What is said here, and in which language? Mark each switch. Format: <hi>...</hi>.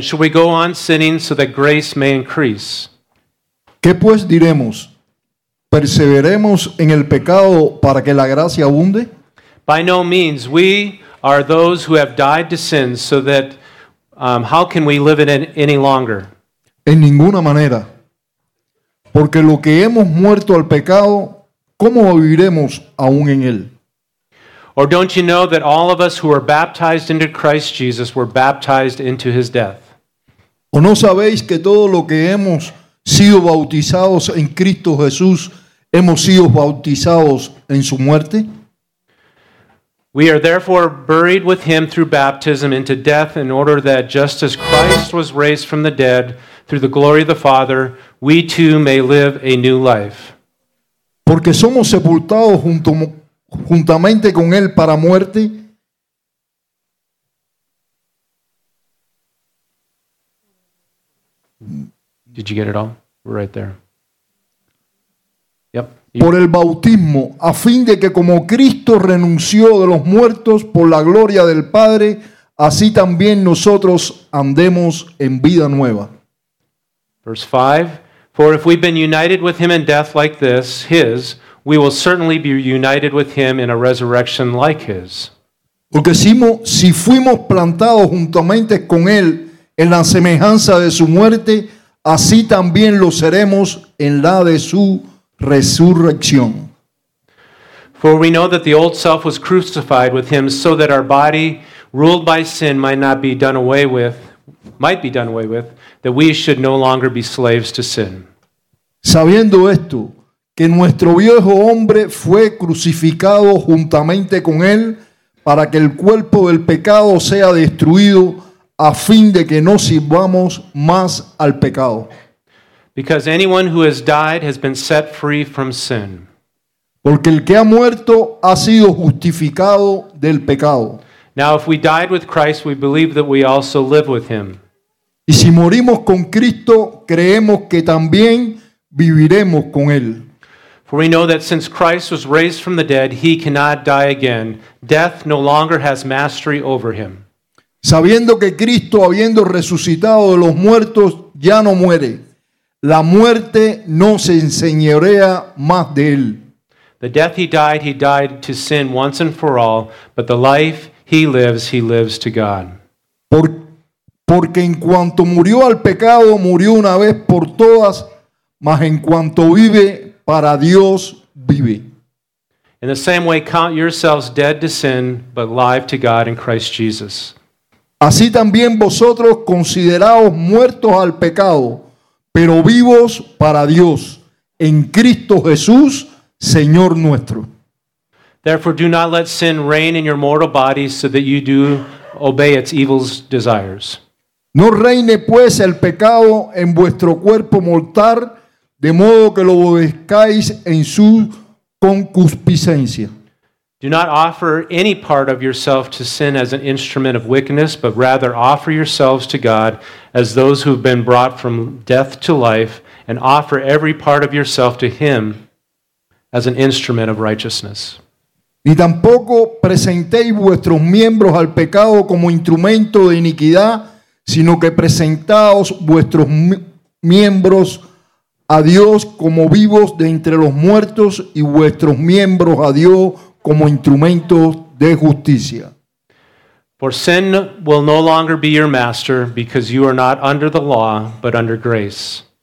<en>Shall we go on sinning so that grace may increase?</en> <es>¿Qué pues diremos? ¿Perseveremos en el pecado para que la gracia abunde?</es> <en>By no means. We are those who have died to sin, so that how can we live in it any longer?</en> <es>En ninguna manera. Porque lo que hemos muerto al pecado, ¿cómo viviremos aún en él?</es> <en>Or don't you know that all of us who were baptized into Christ Jesus were baptized into his death?</en> <es>¿O no sabéis que todo lo que hemos sido bautizados en Cristo Jesús, hemos sido bautizados en su muerte?</es> <en>We are therefore buried with him through baptism into death in order that just as Christ was raised from the dead through the glory of the Father, we too may live a new life.</en> <es>Porque somos sepultados juntamente con él para muerte.</es> <en>Did you get it all? Right there. Yep.</en> <es>por el bautismo, a fin de que como Cristo renunció de los muertos por la gloria del Padre, así también nosotros andemos en vida nueva.</es> <en>Verse 5, for if we've been united with him in death like this, his, we will certainly be united with him in a resurrection like his.</en> <es>Porque si fuimos plantados juntamente con él en la semejanza de su muerte, así también lo seremos en la de su resurrección.</es> <en>For we know that the old self was crucified with him so that our body ruled by sin might be done away with, that we should no longer be slaves to sin.</en> <es>Sabiendo esto, que nuestro viejo hombre fue crucificado juntamente con él para que el cuerpo del pecado sea destruido, a fin de que no sirvamos más al pecado.</es> <en>Because anyone who has died has been set free from sin.</en> <es>Porque el que ha muerto ha sido justificado del pecado.</es> <en>Now if we died with Christ, we believe that we also live with him.</en> <es>Y si morimos con Cristo, creemos que también viviremos con él.</es> <en>For we know that since Christ was raised from the dead, he cannot die again. Death no longer has mastery over him.</en> <es>Sabiendo que Cristo, habiendo resucitado de los muertos, ya no muere. La muerte no se enseñorea más de él.</es> <en>The death he died to sin once and for all, but the life he lives to God.</en> <es>Porque en cuanto murió al pecado, murió una vez por todas, mas en cuanto vive, para Dios vive.</es> <en>In the same way, count yourselves dead to sin, but alive to God in Christ Jesus.</en> <es>Así también vosotros consideraos muertos al pecado, pero vivos para Dios, en Cristo Jesús, Señor nuestro.</es> <en>Therefore, do not let sin reign in your mortal body so that you do obey its evil desires.</en> <es>No reine pues el pecado en vuestro cuerpo mortal, de modo que lo obedezcáis en su concupiscencia.</es> <en>Do not offer any part of yourself to sin as an instrument of wickedness, but rather offer yourselves to God as those who have been brought from death to life, and offer every part of yourself to him as an instrument of righteousness.</en> <es>Ni tampoco presentéis vuestros miembros al pecado como instrumento de iniquidad, sino que presentaos vuestros miembros a Dios como vivos de entre los muertos y vuestros miembros a Dios como instrumentos de justicia.</es> <en>For sin will no longer be your master because you are not under the law but under grace.</en>